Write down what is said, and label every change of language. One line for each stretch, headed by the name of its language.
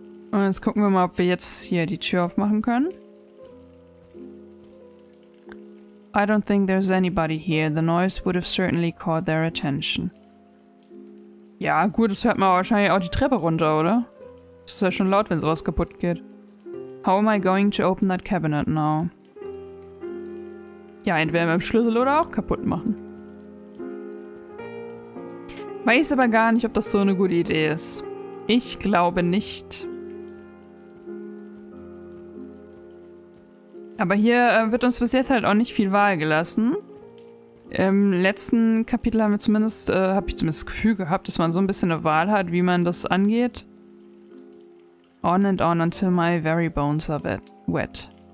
German: Und jetzt gucken wir mal, ob wir jetzt hier die Tür aufmachen können.
English: I don't think there's anybody here. The noise would have certainly caught their attention.
German: Ja, gut, das hört man wahrscheinlich auch die Treppe runter, oder? Das ist ja schon laut, wenn sowas kaputt geht.
English: How am I going to open that cabinet now?
German: Ja, entweder mit dem Schlüssel oder auch kaputt machen. Weiß aber gar nicht, ob das so eine gute Idee ist. Ich glaube nicht. Aber hier wird uns bis jetzt halt auch nicht viel Wahl gelassen. Im letzten Kapitel haben wir zumindest, habe ich zumindest das Gefühl gehabt, dass man so ein bisschen eine Wahl hat, wie man das angeht.
English: On and on until my very bones are wet.